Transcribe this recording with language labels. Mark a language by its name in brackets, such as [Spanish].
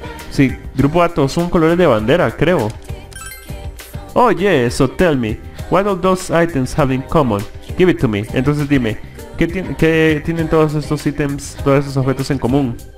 [Spanish] Sí, grupo A, todos son colores de bandera, creo. [English] Oh yeah, so tell me, what all those items have in common? Give it to me. [Spanish] Entonces dime, ¿qué tienen todos estos ítems, todos esos objetos en común?